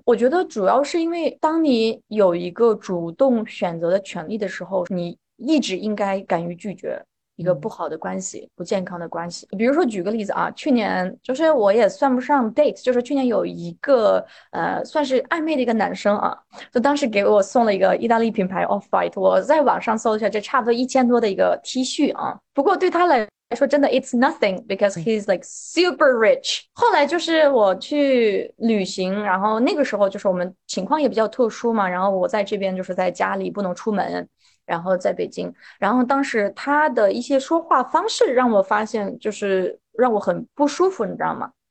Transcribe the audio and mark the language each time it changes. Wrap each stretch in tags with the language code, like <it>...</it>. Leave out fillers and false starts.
<zh>我觉得主要是因为当你有一个主动选择的权利的时候，你一直应该敢于拒绝一个不好的关系、不健康的关系。比如说举个例子啊，去年就是我也算不上 date，就是去年有一个算是暧昧的一个男生啊，就当时给我送了一个意大利品牌 Off-White，我在网上搜一下，这差不多1000多的一个 T 恤啊。不过对他来说，真的</zh> <en>it's nothing because he's like super rich。</en> <zh>后来就是我去旅行，然后那个时候就是我们情况也比较特殊嘛，然后我在这边就是在家里不能出门。然后在北京，然后当时他的一些说话方式让我发现，就是让我很不舒服，你知道吗？</zh>